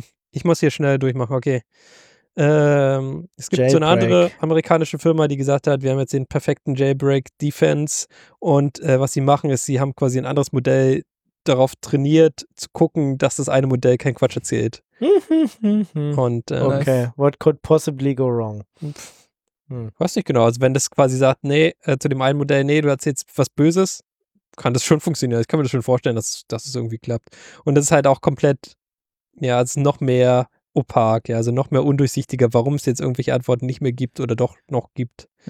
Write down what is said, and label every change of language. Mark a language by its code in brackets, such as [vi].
[de] Ich muss hier schnell durchmachen, okay. Es gibt so eine andere amerikanische Firma, die gesagt hat, wir haben jetzt den perfekten Jailbreak Defense und was sie machen ist, sie haben quasi ein anderes Modell darauf trainiert, zu gucken, dass das eine Modell keinen Quatsch erzählt. Und, [en] okay, what could possibly go wrong? [de] Weiß nicht genau, also wenn das quasi sagt, nee, zu dem einen Modell, nee, du erzählst was Böses, kann das schon funktionieren. Ich kann mir das schon vorstellen, dass es irgendwie klappt. Und das ist halt auch komplett, ja, es ist noch mehr opak, ja, also noch mehr undurchsichtiger, warum es jetzt irgendwelche Antworten nicht mehr gibt oder doch noch gibt.